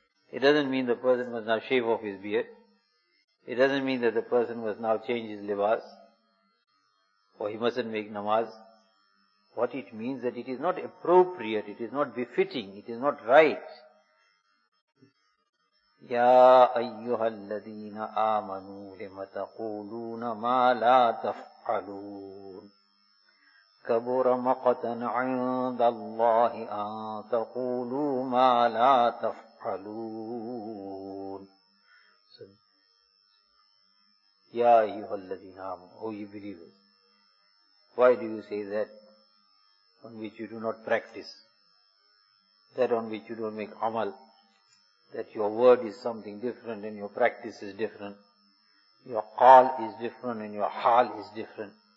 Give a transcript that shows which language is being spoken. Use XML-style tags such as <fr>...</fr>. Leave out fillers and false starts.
<en>It doesn't mean the person must now shave off his beard. It doesn't mean that the person must now change his libas, or he mustn't make namaz. What it means, that it is not appropriate, it is not befitting, it is not right.</en> <ar>يا أيها الذين آمنوا لم تقولون ما لا تفعلون كبر مقتا عند الله أن تقولوا ما لا تفعلون. يا أيها الذين آمنوا,</ar> <en>oh you believers, why do you say that on which you do not practice, that on which you don't make amal, that your word is something different and your practice is different, your qal is different and your hal is different?</en>